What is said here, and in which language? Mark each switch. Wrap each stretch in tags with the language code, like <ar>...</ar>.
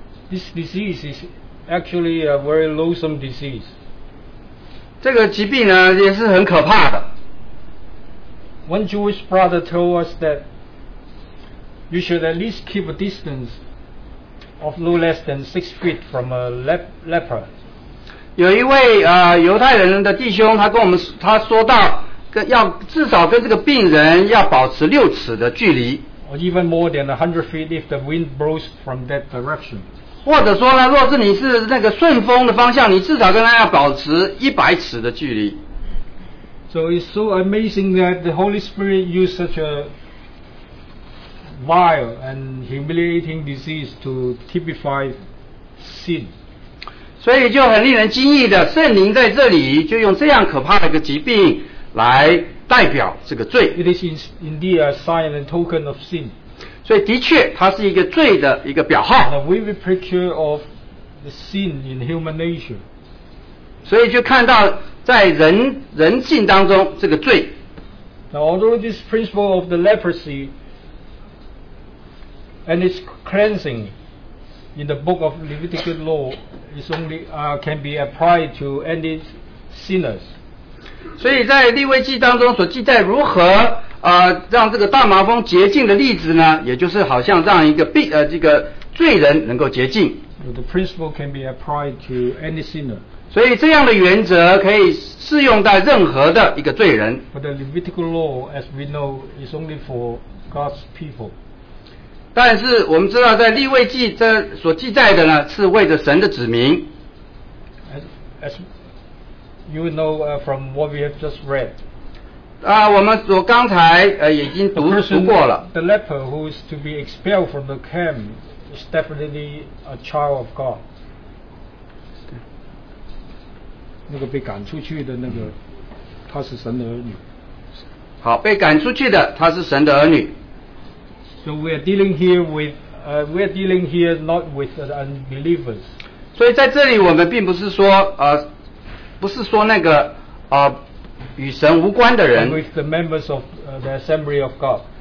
<en>This disease is actually a very loathsome disease.</en> <zh>这个疾病呢也是很可怕的。</zh> <en>One Jewish brother told us that you should at least keep a distance of no less than 6 feet from a leper.</en> <zh>有一位犹太人的弟兄他说到要至少跟这个病人要保持6尺的距离。</zh> <en>Or even more than 100 feet if the wind blows from that direction.</en> <zh>或者说呢，若是你是那个顺风的方向，你至少跟他要保持100尺的距离。</zh> <en>So it's so amazing that the Holy Spirit used such a vile and humiliating disease to typify sin.</en> <zh>所以就很令人惊异的，圣灵在这里就用这样可怕的一个疾病来代表这个罪。</zh> <en>It is indeed a sign and token of sin.</en> <zh>所以的确它是一个罪的一个表号。</zh> <en>A vivid picture of the sin in human nature.</en> <zh>所以就看到在人性当中这个罪。</zh> <en>Now, although this principle of the leprosy and its cleansing in the book of Levitical law is only, can be applied to any sinners.</en> <zh>所以在利未记当中所记载如何让这个大麻风洁净的例子呢，也就是好像让一个病这个罪人能够洁净。</zh> <en>The principle can be applied to any sinner.</en> <zh>所以这样的原则可以适用在任何的一个罪人。</zh> <en>But the Levitical law, as we know, is only for God's people.</en> <zh>但是我们知道在利未记这所记载的呢，是为着神的子民。</zh> <en>As you know, from what we have just read,</en> <zh>我们所刚才已经读过了。</zh> <en>The leper who is to be expelled from the camp is definitely a child of God.</en> <zh>那个被赶出去的那个，他是神的儿女。好，被赶出去的他是神的儿女。</zh> <en>So we are dealing here not with unbelievers.</en> <zh>所以在这里我们并不是说不是说那个与神无关的人</zh> <en>with the members of the assembly of God</en>